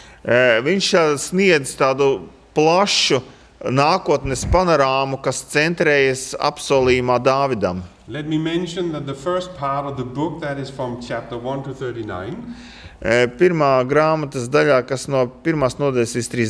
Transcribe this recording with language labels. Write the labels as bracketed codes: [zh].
[lv] Viņš sniedz tādu plašu nākotnes panorāmu, kas centrējas apsolījumā Dāvidam. [en] Let me mention that the first part of the book that is from chapter 1 to 39 [lv] Pirmā grāmatas daļā, kas no pirmās nodaļas līdz